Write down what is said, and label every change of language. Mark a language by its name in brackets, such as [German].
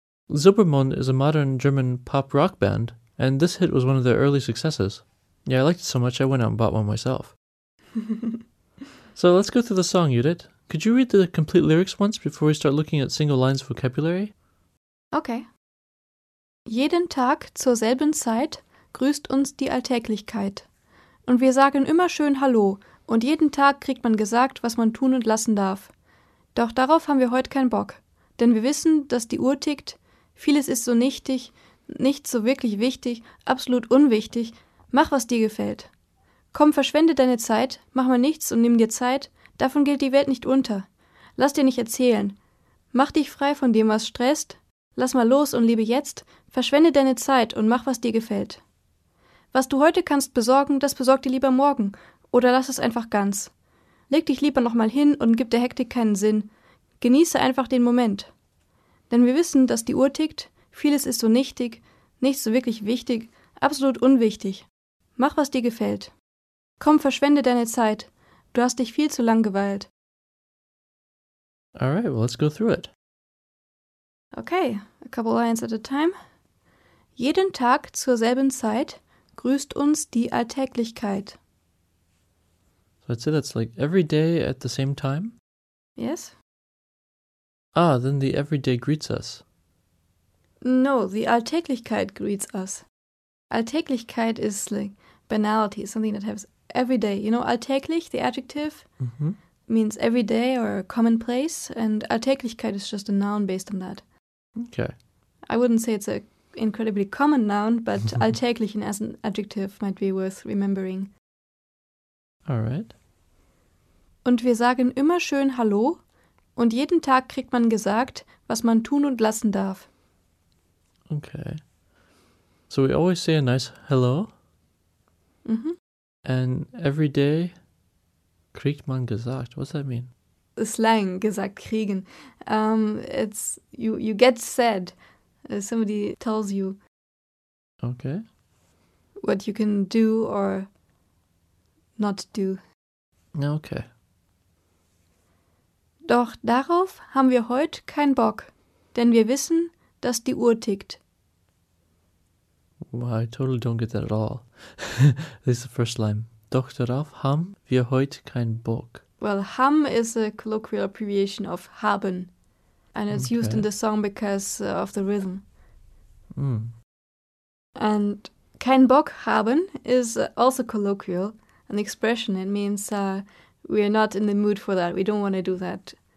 [English] Silbermond is a modern German pop rock band, and this hit was one of their early successes. Yeah, I liked it so much I went out and bought one myself. So let's go through the song, Judith. Could you read the complete lyrics once before we start looking at single lines vocabulary? Okay. [German] Jeden Tag zur selben Zeit grüßt uns die Alltäglichkeit. Und wir sagen immer schön Hallo, und jeden Tag kriegt man gesagt, was man tun und lassen darf. Doch darauf haben wir heute keinen Bock, denn wir wissen, dass die Uhr tickt, vieles ist so nichtig, nicht so wirklich wichtig, absolut unwichtig, mach, was dir gefällt. Komm, verschwende deine Zeit, mach mal nichts und nimm dir Zeit, davon geht die Welt nicht unter. Lass dir nicht erzählen, mach dich frei von dem, was stresst, lass mal los und lebe jetzt, verschwende deine Zeit und mach, was dir gefällt. Was du heute kannst besorgen, das besorg dir lieber morgen, oder lass es einfach ganz. Leg dich lieber nochmal hin und gib der Hektik keinen Sinn, genieße einfach den Moment. Denn wir wissen, dass die Uhr tickt, vieles ist so nichtig, nichts so wirklich wichtig, absolut unwichtig. Mach, was dir gefällt. Komm, verschwende deine Zeit. Du hast dich viel zu lang geweilt. [English] All right, well, let's go through it. Okay, a couple lines at a time. [German] Jeden Tag zur selben Zeit grüßt uns die Alltäglichkeit. [English] So I'd say that's like every day at the same time? Yes. Ah, then the everyday greets us. No, the Alltäglichkeit greets us. Alltäglichkeit is like banality, something that happens every day. You know, alltäglich, the adjective, means every day or commonplace, and Alltäglichkeit is just a noun based on that. Okay. I wouldn't say it's an incredibly common noun, but alltäglich as an adjective might be worth remembering. All right. [German] Und wir sagen immer schön Hallo, und jeden Tag kriegt man gesagt, was man tun und lassen darf. [English] Okay. So we always say a nice hello. And every day [German] kriegt man gesagt. [English] What's that mean? Slang, gesagt, kriegen. It's you get said. Somebody tells you. Okay. What you can do or not do. Okay. [German] Doch darauf haben wir heute keinen Bock, denn wir wissen, dass die Uhr tickt. [English] Well, I totally don't get that at all. This is the first line. [German] Doch darauf haben wir heute keinen Bock. [English] Well, ham is a colloquial abbreviation of haben, and it's used in the song because of the rhythm. And [German] kein Bock haben [English] is also colloquial, an expression. It means we are not in the mood for that. We don't want to do that.